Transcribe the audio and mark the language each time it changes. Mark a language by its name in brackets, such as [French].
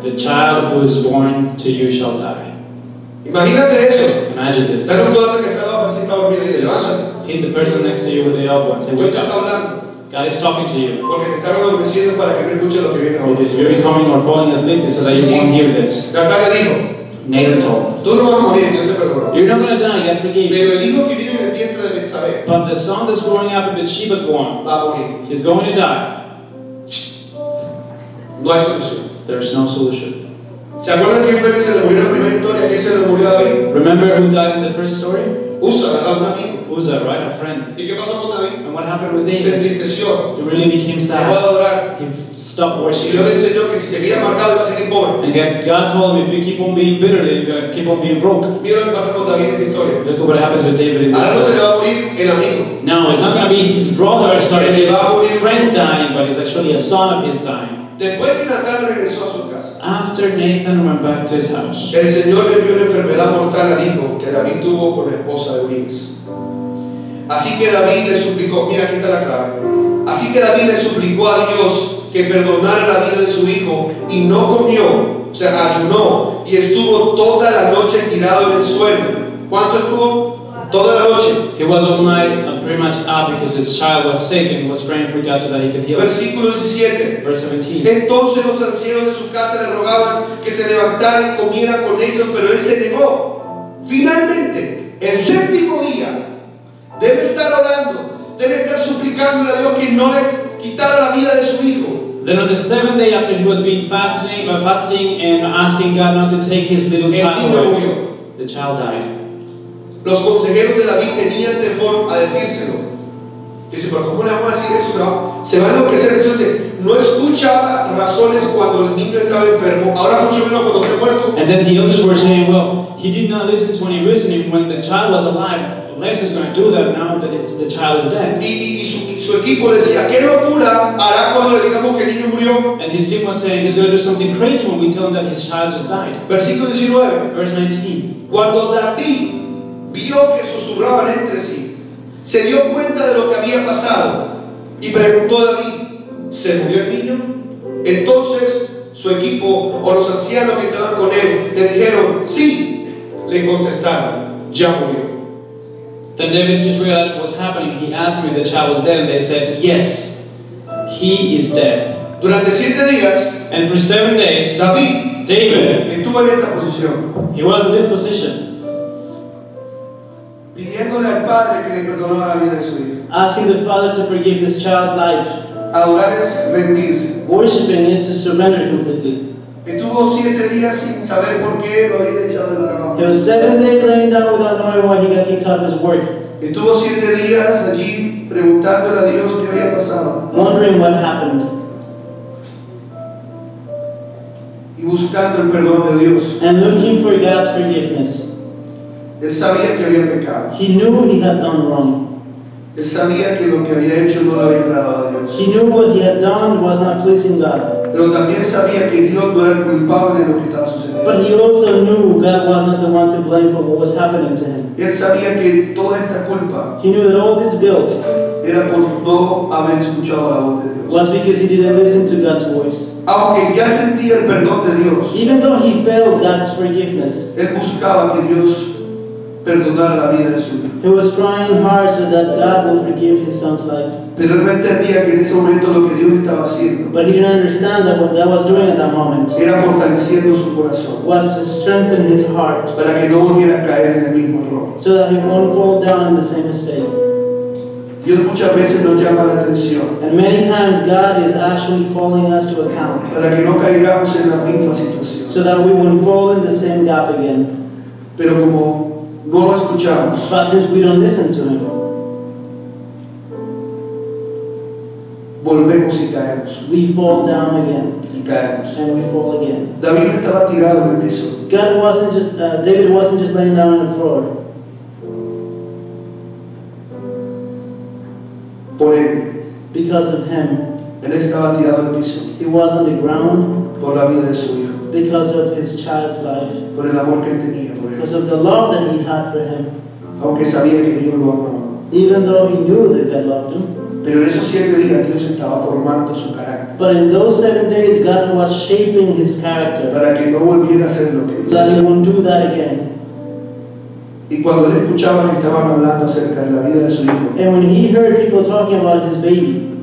[English] The child who is born to you shall die. [Spanish] Imagínate eso. [English] Imagine this. [Spanish] Pero tú haces que está la vasita dormida y levanta. [English] Hit the person next to you with the elbow and say, [Spanish] ¿qué está hablando? [English] God is talking to you. [Spanish] Porque te están adormeciendo para que no escuches lo que viene ahora. [English] Because you're becoming or falling asleep so that you won't hear this. [Spanish] Natalia dijo. [English] Nathan told. [Spanish] Tú no vas a morir, Dios te perdona. [English] You're not going to die, God forgive. [Spanish] Pero el hijo que viene en el vientre de Betsabé. [English] But the son that's growing up in Bathsheba's womb. [Spanish] Va a morir. [English] He's going to die. [Spanish] No hay solución. [English] There is no solution. [Spanish] ¿Se acuerdan quién fue que se le murió en la primera historia? ¿Quién se le murió a David? [English] Remember who died in the first story? [Spanish] Usa, un amigo. [English] Usa, right? A friend. [Spanish] ¿Y qué pasó con David? [English] And what happened with David? [Spanish] Se entristeció. [English] He really became sad. [Spanish] Dejó de adorar. [English] He stopped worshiping. [Spanish] Y Dios le enseñó que si seguía amargado, iba a seguir pobre. [English] And God told him, if you keep on being bitter, then you're going to keep on being broke. [Spanish] Mira lo que pasó con David en esta historia. [English] Look at what happens with David in this story. [Spanish] Ahora se le va a morir el amigo. [English] No, it's not going to be his brother, his friend dying, but it's actually a son of his dying. [Spanish] Después que Natán regresó a su casa. [English] After Nathan went back to his house. [Spanish] El Señor le dio una enfermedad mortal al hijo que David tuvo con la esposa de Urias. Así que David le suplicó, mira aquí está la clave. Así que David le suplicó a Dios que perdonara la vida de su hijo y no comió, o sea, ayunó y estuvo toda la noche tirado en el suelo. ¿Cuánto estuvo? Toda la noche. [English] He was all night pretty much up because his child was sick and was praying for God so that he could heal. [Spanish] Versículo 17. [English] Verse 17. [Spanish] Entonces los ancianos de su casa le rogaban que se levantara y comiera con ellos, pero él se negó. Finalmente, el séptimo día, debe estar orando, debe estar suplicándole a Dios que no le quitara la vida de su hijo. [English] Then on the seventh day after he was being fasting and asking God not to take his little child away, the child died. [Spanish] Los consejeros de David tenían temor a decírselo. Dice, pero ¿cómo le vamos a decir eso? Se va a enloquecer. Eso dice, no escuchaba razones cuando el niño estaba enfermo. Ahora mucho menos cuando esté muerto. [English] And then the elders were saying, well, he did not listen to any reasoning when the child was alive. Les is going to do that now that the child is dead. [Spanish] Y su equipo decía, ¿qué locura hará cuando le digamos que el niño murió? [English] And his team was saying, he's going to do something crazy when we tell him that his child just died. [Spanish] Versículo 19. [English] Verse 19. [Spanish] Cuando David vio que susurraban entre sí, se dio cuenta de lo que había pasado y preguntó a David, ¿se murió el niño? Entonces su equipo o los ancianos que estaban con él le dijeron, sí, le contestaron, ya murió. [English] Then David just realized what was happening. He asked me if the child was dead and they said, yes, he is dead. [Spanish] Durante 7 días, [English] and for 7 days, [Spanish] David estuvo en esta posición. [English] He was in this position. [Spanish] Pidiéndole al Padre que le perdonara la vida de su hijo. [English] Asking the Father to forgive his child's life. [Spanish] Adorar es rendirse. [English] Worshiping is to surrender completely. [Spanish] Estuvo 7 días sin saber por qué lo habían echado del trabajo. [English] He was 7 days laying down without knowing why he got kicked out of his work. [Spanish] Estuvo 7 días allí preguntándole a Dios qué había pasado. [English] Wondering what happened. [Spanish] Y buscando el perdón de Dios. [English] And looking for God's forgiveness. [Spanish] Él sabía que había pecado. [English] He knew he had done wrong. [Spanish] Él sabía que lo que había hecho no le había agradado a Dios. [English] He knew what he had done was not pleasing God. [Spanish] Pero también sabía que Dios no era el culpable de lo que estaba sucediendo. [English] But he also knew God was not the one to blame for what was happening to him. [Spanish] Él sabía que toda esta culpa. [English] He knew that all this guilt [Spanish] era por no haber escuchado la voz de Dios. [English] Was because he didn't listen to God's voice. [Spanish] Aunque ya sentía el perdón de Dios. [English] Even though he felt God's forgiveness. [Spanish] Él buscaba que Dios perdonara la vida de su hijo. [English] He was trying hard so that God would forgive his son's life. [Spanish] Pero él no entendía que en ese momento lo que Dios estaba haciendo. [English] But he didn't understand that what God was doing at that moment. [Spanish] Era fortaleciendo su corazón. [English] Was to strengthen his heart. [Spanish] Para que no volviera a caer en el mismo error. [English] So that he won't fall down in the same mistake. [Spanish] Dios muchas veces nos llama la atención. [English] And many times God is actually calling us to account. [Spanish] Para que no caigamos en la misma situación. [English] So that we won't fall in the same gap again. [Spanish] Pero como no lo escuchamos. [English] But since we don't listen to him. [Spanish] Volvemos y caemos. [English] We fall down again. [Spanish] Y caemos. [English] And we fall again. [Spanish] David no estaba tirado en el piso. [English] David wasn't just laying down on the floor. [Spanish] Por él. [English] Because of him. [Spanish] Él estaba tirado en el piso. [English] He was on the ground. [Spanish] Por la vida de su hijo. [English] Because of his child's life. [Spanish] Por el amor que tenía por él. [English] Because of the love that he had for him. [Spanish] Aunque sabía que Dios lo amaba. [English] Even though he knew that God loved him. [Spanish] Pero en esos 7 días Dios estaba formando su carácter. [English] But in those 7 days God was shaping his character. [Spanish] Para que no volviera a hacer lo que hizo. [English] That he won't do that again. [Spanish] Y cuando él escuchaba que estaban hablando acerca de la vida de su hijo. [English] And when he heard people talking about his baby.